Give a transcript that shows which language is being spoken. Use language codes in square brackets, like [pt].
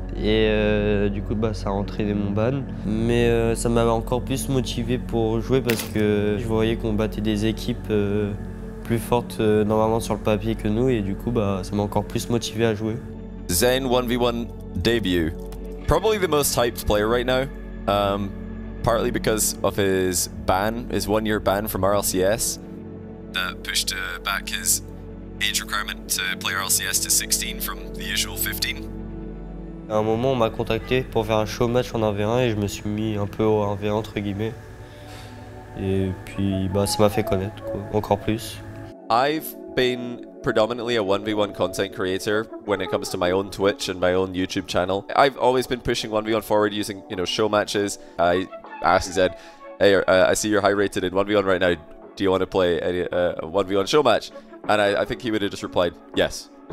[fr] Et du coup, bah, ça a entraîné mon ban. Mais ça m'avait encore plus motivé pour jouer parce que je voyais qu'on battait des équipes plus forte normalement sur le papier que nous et du coup bah ça m'a encore plus motivé à jouer. [en] Zen 1v1 debut. Probably the most hyped player right now. Partly because of his ban, his 1 year ban from RLCS. That pushed back his age requirement to play RLCS to 16 from the usual 15. [fr] À un moment on m'a contacté pour faire un show match en 1v1 et je me suis mis un peu au 1v1 entre guillemets. Et puis bah ça m'a fait connaître quoi, encore plus. [en] I've been predominantly a 1v1 content creator when it comes to my own Twitch and my own YouTube channel. I've always been pushing 1v1 forward using, you know, show matches. I asked Zen, hey, I see you're high rated in 1v1 right now. Do you want to play a 1v1 show match? And I think he would have just replied, yes.